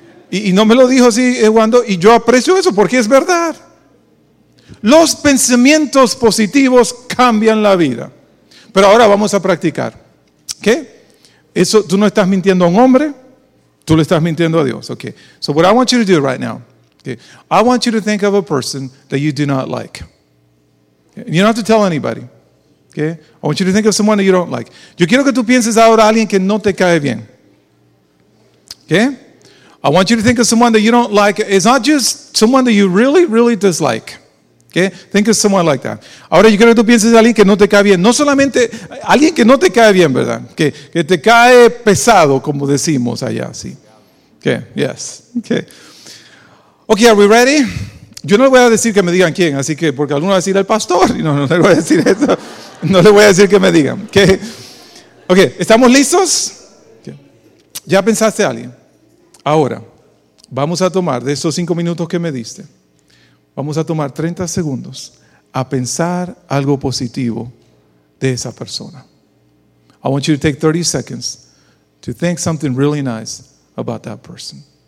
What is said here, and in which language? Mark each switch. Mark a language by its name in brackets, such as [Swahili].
[Spanish] Y no me lo dijo así, cuando, y yo aprecio eso porque es verdad. Los pensamientos positivos cambian la vida. Pero ahora vamos a practicar. ¿Qué? Eso, tú no estás mintiendo a un hombre, tú le estás mintiendo a Dios. [English] Okay. So what I want you to do right now, okay, I want you to think of a person that you do not like. Okay. You don't have to tell anybody. Okay. I want you to think of someone that you don't like. [Spanish] Yo quiero que tú pienses ahora a alguien que no te cae bien. [English] Okay? I want you to think of someone that you don't like. It's not just someone that you really, really dislike. Okay? Think of someone like that. [Spanish] Ahora yo quiero que tú pienses a alguien que no te cae bien. No solamente alguien que no te cae bien, ¿verdad? Que te cae pesado, como decimos allá, sí. [English] Okay, yes. Okay, are we ready? [Spanish] Yo no le voy a decir que me digan quién, así que, porque alguno va a decir el pastor, y no le voy a decir eso. No le voy a decir que me digan. Ok, ¿estamos listos? Okay. ¿Ya pensaste a alguien? Ahora, vamos a tomar, de esos 5 minutos que me diste, vamos a tomar 30 segundos a pensar algo positivo de esa persona. [English] I want you to take 30 seconds to think something really nice about that person.